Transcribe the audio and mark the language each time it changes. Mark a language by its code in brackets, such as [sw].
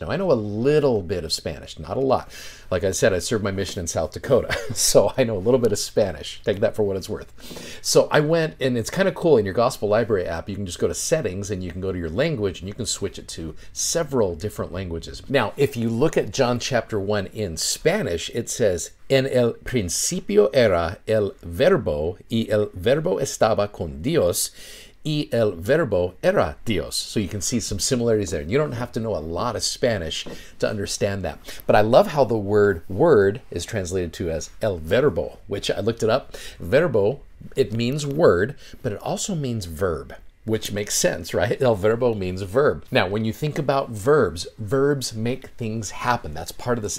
[en] Now, I know a little bit of Spanish, not a lot. Like I said, I served my mission in South Dakota, so I know a little bit of Spanish. Take that for what it's worth. So I went, and it's kind of cool, in your Gospel Library app, you can just go to settings, and you can go to your language, and you can switch it to several different languages. Now, if you look at John chapter 1 in Spanish, it says, [es] en el principio era el verbo, y el verbo estaba con Dios, y el verbo era Dios. [en] So you can see some similarities there. And you don't have to know a lot of Spanish to understand that. But I love how the word is translated to as el verbo, which I looked it up. Verbo It means word, but it also means verb, which makes sense, right? El verbo means verb. Now, when you think about verbs, verbs make things happen. That's part of this.